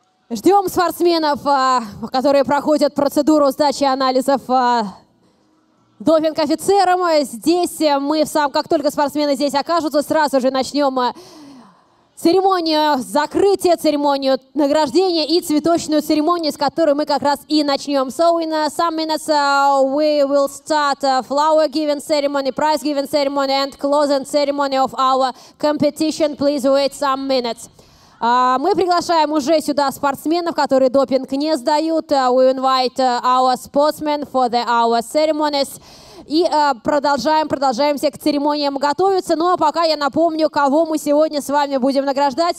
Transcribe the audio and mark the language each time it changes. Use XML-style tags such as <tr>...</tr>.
<ru>Ждем спортсменов, которые проходят процедуру сдачи анализов допинг-офицерам. Здесь мы, как только спортсмены здесь окажутся, сразу же начнем церемонию закрытия, церемонию награждения и цветочную церемонию, с которой мы как раз и начнем.</ru> <en>So in some minutes we will start a flower giving ceremony, prize giving ceremony and closing ceremony of our competition. Please wait some minutes.</en> <ru>Мы приглашаем уже сюда спортсменов, которые допинг не сдают.</ru> <en>We invite our sportsmen for our ceremonies.</en> <ru>И продолжаемся к церемониям готовиться. Ну а пока я напомню, кого мы сегодня с вами будем награждать.</ru>